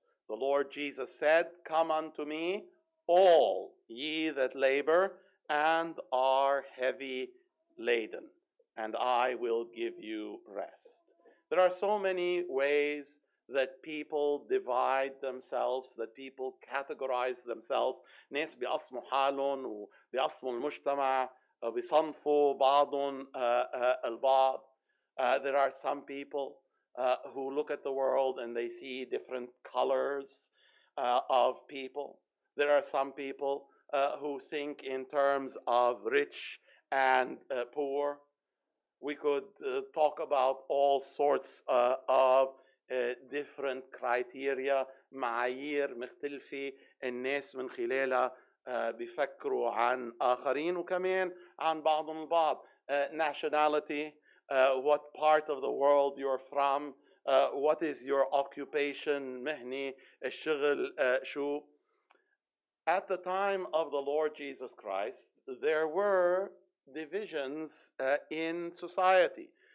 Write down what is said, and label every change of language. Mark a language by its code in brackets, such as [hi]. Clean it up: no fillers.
[en] The Lord Jesus said, come unto me, all ye that labor and are heavy laden, and I will give you rest. There are so many ways that people divide themselves, that people categorize themselves. [ar] ناس بيقسموا حالهم وبيقسموا المجتمع وبيصنفوا بعضهم البعض. [en] There are some people who look at the world and they see different colors of people. There are some people who think in terms of rich and poor. We could talk about all sorts of different criteria, [ar] معايير مختلفة الناس من خلالها بيفكروا عن آخرين وكمان عن بعضهم البعض. [en] Nationality, what part of the world you're from, what is your occupation, [ar] مهنة الشغل شو. [en] At the time of the Lord Jesus Christ, there were divisions in society.